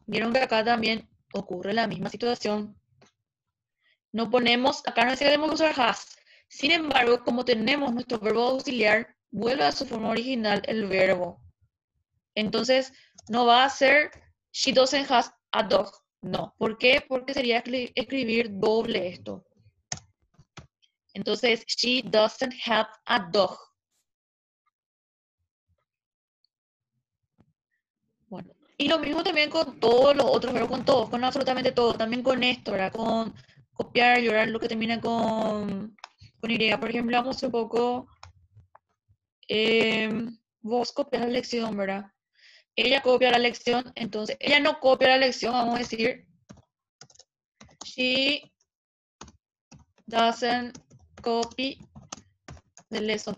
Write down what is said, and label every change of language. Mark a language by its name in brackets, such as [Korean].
[Spanish] Vieron que acá también ocurre la misma situación. No ponemos, acá no decimos usar has. Sin embargo, como tenemos nuestro verbo auxiliar, vuelve a su forma original el verbo. Entonces, no va a ser... [English] She doesn't have a dog. [Spanish] No. ¿Por qué? Porque sería escribir doble esto. Entonces, [English] she doesn't have a dog. [Spanish] Bueno. Y lo mismo también con todos los otros, pero con todos, con absolutamente todos. También con esto, ¿verdad? Con copiar, llorar, lo que termina con Y. Por ejemplo, vamos un poco. Vos copias la lección, ¿verdad? Ella copia la lección, entonces, ella no copia la lección, vamos a decir, [English] she doesn't copy the lesson.